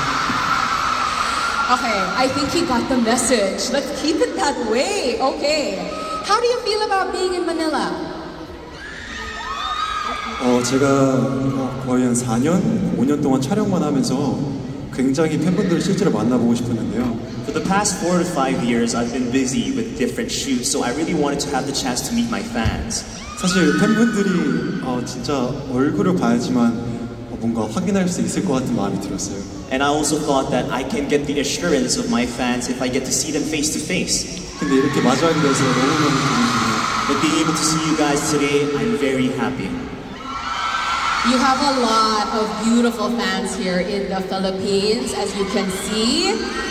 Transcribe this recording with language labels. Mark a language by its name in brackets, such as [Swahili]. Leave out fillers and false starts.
[English] I think he got the message. Let's keep it that way. Okay. How do you feel about being in Manila? [Korean] 제가 거의 한 4년, 5년 동안 촬영만 하면서 굉장히 팬분들을 실제로 만나보고 싶었는데요. [English] For the past 4 to 5 years, I've been busy with different shoots, so I really wanted to have the chance to meet my fans. [Korean] 사실 팬분들이 진짜 얼굴을 봐야지만 뭔가 확인할 수 있을 것 같은 마음이 들었어요. [English] And I also thought that I can get the assurance of my fans if I get to see them face to face. [Korean] 근데 이렇게 마주하게 돼서 너무너무 기쁘네요. [English] But being able to see you guys today, I'm very happy. You have a lot of beautiful fans here in the Philippines, as you can see.